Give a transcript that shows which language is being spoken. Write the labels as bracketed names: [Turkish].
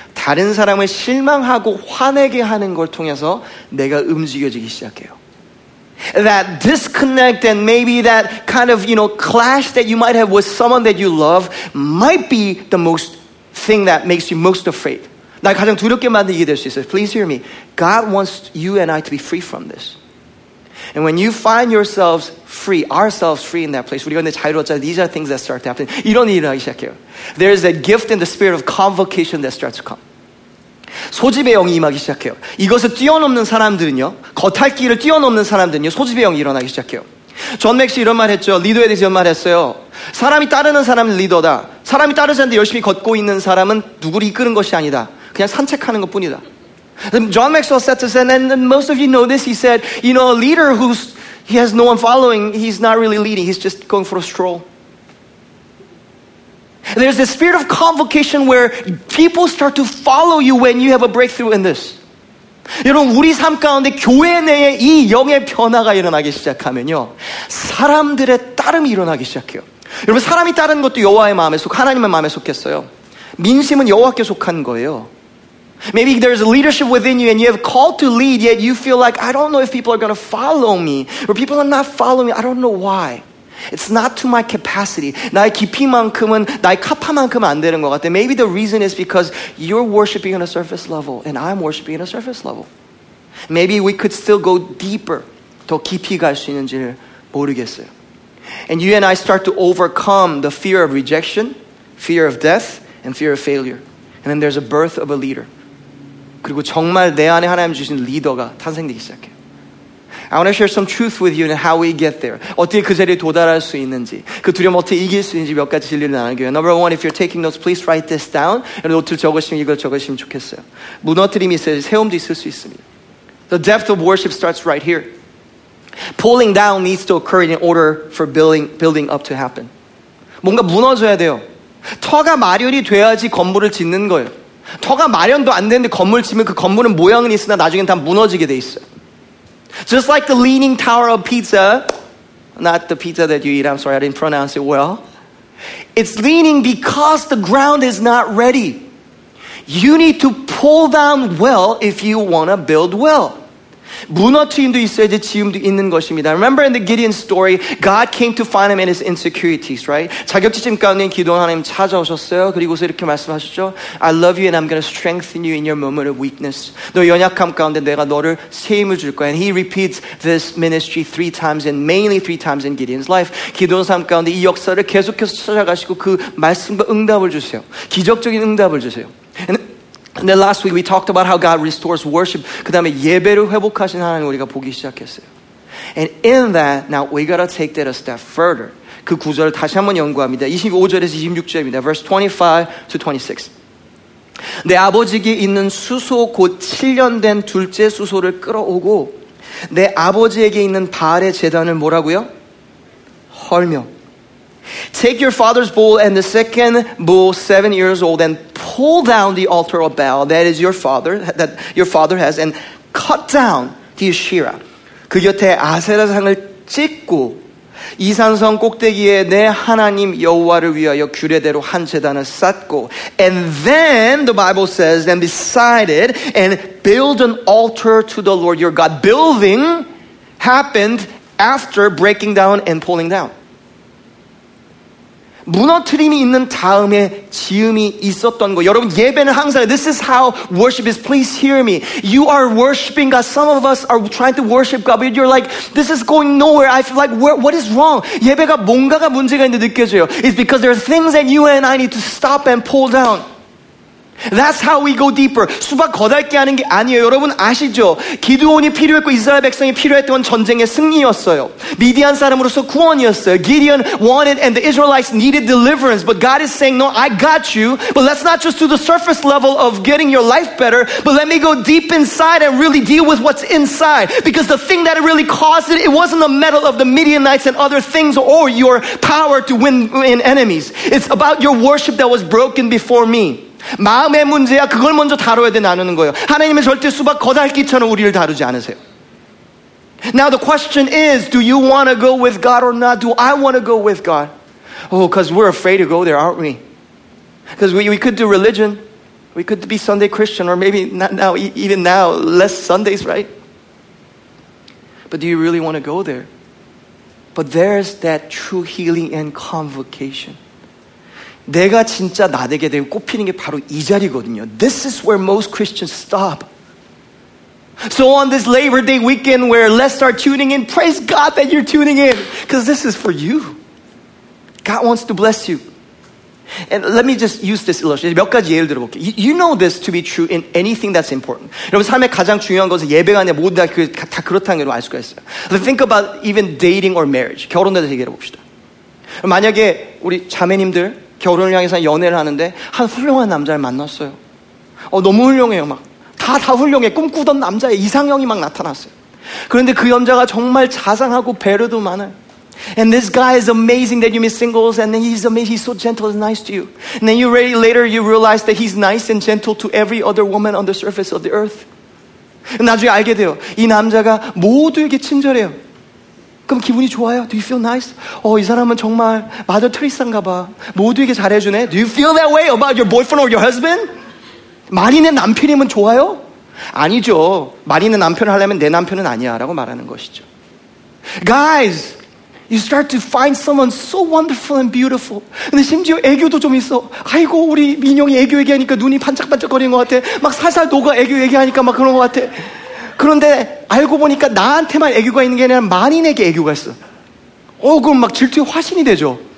[Korean] 다른 사람을 실망하고 화내게 하는 걸 통해서 내가 움직여지기 시작해요. [English] That disconnect and maybe that kind of, you know, clash that you might have with someone that you love might be the most thing that makes you most afraid. [Korean] 나 가장 두렵게 만들게 될 수 있어요. [English] Please hear me. God wants you and I to be free from this. And when you find yourselves free, ourselves free in that place, [Korean] 우리가 이제 자유로웠잖아요. [English] These are things that start to happen. [Korean] 이런 일이 나기 시작해요. [English] There is a gift in the spirit of convocation that starts to come. [Korean] 소집의 영이 임하기 시작해요. 이것을 뛰어넘는 사람들은요, 겉핥기를 뛰어넘는 사람들은요, 소집의 영이 일어나기 시작해요. 존 맥시 이런 말 했죠. 리더에 대해서 이런 말 했어요. 사람이 따르는 사람은 리더다. 사람이 따르지 않는데 열심히 걷고 있는 사람은 누구를 이끄는 것이 아니다. 그냥 산책하는 것 뿐이다. [English] John Maxwell said this, and then most of you know this, he said, you know, a leader who's, he has no one following, he's not really leading, he's just going for a stroll. There's a spirit of convocation where people start to follow you when you have a breakthrough in this. [Korean] 여러분, 우리 삶 가운데 교회 내에 이 영의 변화가 일어나기 시작하면요, 사람들의 따름이 일어나기 시작해요. 여러분, 사람이 따르는 것도 여호와의 마음에 속, 하나님의 마음에 속했어요. 민심은 여호와께 속한 거예요. [English] Maybe there's a leadership within you and you have called to lead, yet you feel like, I don't know if people are going to follow me, or people are not following me, I don't know why. It's not to my capacity. [Korean] 나의 깊이만큼은, 나의 카파만큼은 안 되는 것 같아. [English] Maybe the reason is because you're worshiping on a surface level and I'm worshiping on a surface level. Maybe we could still go deeper. [Korean] 더 깊이 갈 수 있는지를 모르겠어요. [English] And you and I start to overcome the fear of rejection, fear of death, and fear of failure. And then there's a birth of a leader. [Korean] 그리고 정말 내 안에 하나님 주신 리더가 탄생되기 시작해요. [English] I want to share some truth with you and how we get there. [Korean] 어떻게 그 자리에 도달할 수 있는지, 그 두려움 어떻게 이길 수 있는지 몇 가지 진리를 나눌게요. [English] Number one, if you're taking notes, please write this down. [Korean] 여러분, 노트를 적으시면 이걸 적으시면 좋겠어요. 무너뜨림이 있어야지 세움도 있을 수 있습니다. [English] The depth of worship starts right here. Pulling down needs to occur in order for building up to happen. [Korean] 뭔가 무너져야 돼요. 터가 마련이 돼야지 건물을 짓는 거예요. 터가 마련도 안 되는데 건물 짓으면 그 건물은 모양은 있으나 나중엔 다 무너지게 돼 있어요. [English] Just like the Leaning Tower of Pisa, not the pizza that you eat, I'm sorry, I didn't pronounce it well. It's leaning because the ground is not ready. You need to pull down well if you want to build well. [Korean] 무너뜨림도 있어야지 지음도 있는 것입니다. [English] Remember in the Gideon story, God came to find him in his insecurities, right? [Korean] 자격지심 가운데 기도한 하나님 찾아오셨어요. 그리고서 이렇게 말씀하셨죠. [English] I love you and I'm going to strengthen you in your moment of weakness. [Korean] 너 연약함 가운데 내가 너를 세임을 줄 거야. [English] And he repeats this ministry three times and mainly three times in Gideon's life. [Korean] 기도한 삶 가운데 이 역사를 계속해서 찾아가시고 그 말씀과 응답을 주세요. 기적적인 응답을 주세요. [English] And then last week we talked about how God restores worship. [Korean] 그 다음에 예배를 회복하신 하나님 우리가 보기 시작했어요. [English] And in that, now we gotta take that a step further. [Korean] 그 구절을 다시 한번 연구합니다. 25절에서 26절입니다. [English] Verse 25 to 26. [Korean] 내 아버지께 있는 수소 곧 7년 된 둘째 수소를 끌어오고 내 아버지에게 있는 바알의 제단을 뭐라고요? 헐며. [English] Take your father's bull and the second bull, 7 years old, and pull down the altar of Baal that is your father, that your father has, and cut down the Asherah. [Korean] 그 곁에 아세라상을 찍고 이산성 꼭대기에 내 하나님 여호와를 위하여 규례대로 한 제단을 쌓고. [English] And then the Bible says, and beside it, and build an altar to the Lord your God. Building happened after breaking down and pulling down. [Korean] 무너뜨림이 있는 다음에 지음이 있었던 거. 여러분 예배는 항상 [English] this is how worship is. Please hear me. You are worshiping God. Some of us are trying to worship God, but you're like, this is going nowhere. I feel like, what is wrong? [Korean] 예배가 뭔가가 문제가 있는데 느껴져요. [English] It's because there are things that you and I need to stop and pull down. That's how we go deeper. [Korean] 수박 거닳게 하는 게 아니에요. 여러분 아시죠? 기드온이 필요했고 이스라엘 백성이 필요했던 건 전쟁의 승리였어요. 미디안 사람으로서 구원이었어요. [English] Gideon wanted and the Israelites needed deliverance. But God is saying, no, I got you. But let's not just do the surface level of getting your life better. But let me go deep inside and really deal with what's inside. Because the thing that really caused it, it wasn't the metal of the Midianites and other things or your power to win enemies. It's about your worship that was broken before me. [Korean] 마음의 문제야 그걸 먼저 다뤄야 돼 나누는 거예요. 하나님은 절대 수박 거닳기처럼 우리를 다루지 않으세요. [English] Now the question is, do you want to go with God or not? Do I want to go with God? Oh, because we're afraid to go there, aren't we? Because we could do religion. We could be Sunday Christian, or maybe not now, even now, less Sundays, right? But do you really want to go there? But there's that true healing and convocation. [Korean] 내가 진짜 나되게 되고 꼽히는 게 바로 이 자리거든요. [English] This is where most Christians stop. So on this Labor Day weekend where let's start tuning in, praise God that you're tuning in. Because this is for you. God wants to bless you. And let me just use this illustration. [Korean] 몇 가지 예를 들어볼게요. [English] You know this to be true in anything that's important. [Korean] 여러분 삶에 가장 중요한 것은 예배가 아니라 모두 다 그렇다는 걸 알 수가 있어요. [English] Let's think about even dating or marriage. [Korean] 결혼에 대해서 얘기해 봅시다. 만약에 우리 자매님들 결혼을 향해서 연애를 하는데 한 훌륭한 남자를 만났어요. 너무 훌륭해요. 막 다 훌륭해. 꿈꾸던 남자의 이상형이 막 나타났어요. 그런데 그 여자가 정말 자상하고 배려도 많아요. [English] And this guy is amazing that you meet singles and then he's amazing. He's so gentle and nice to you. And then you really later you realize that he's nice and gentle to every other woman on the surface of the earth. [Korean] 나중에 알게 돼요. 이 남자가 모두에게 친절해요. 그럼 기분이 좋아요? [English] Do you feel nice? [Korean] 이 사람은 정말 마더 트리스인가 봐. 모두에게 잘해주네. [English] Do you feel that way about your boyfriend or your husband? [Korean] 마린의 남편이면 좋아요? 아니죠. 마린의 남편을 하려면 내 남편은 아니야 라고 말하는 것이죠. [English] Guys, you start to find someone so wonderful and beautiful. [Korean] 근데 심지어 애교도 좀 있어. 아이고 우리 민영이 애교 얘기하니까 눈이 반짝반짝거리는 것 같아. 막 살살 녹아 애교 얘기하니까 막 그런 것 같아. 그런데 알고 보니까 나한테만 애교가 있는 게 아니라 만인에게 애교가 있어. 그럼 막 질투의 화신이 되죠.